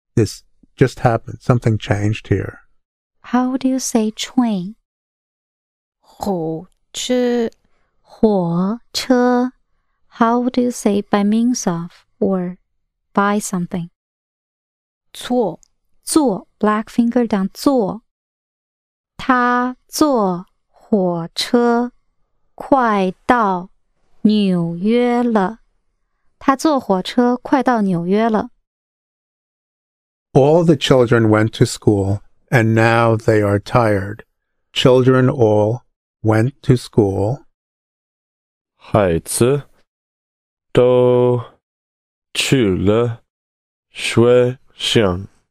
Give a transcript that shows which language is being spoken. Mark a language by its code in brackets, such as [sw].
[en] This just happened, something changed here. How do you say train? [zh] 火车. [en] How do you say by means of or by something? [zh] 坐, [en] black finger down, [zh] 坐。他坐火车快到纽约了。他坐火车快到纽约了。 [en] All the children went to school, and now they are tired. Children all went to school. [zh] 孩子都去了学。Xiang.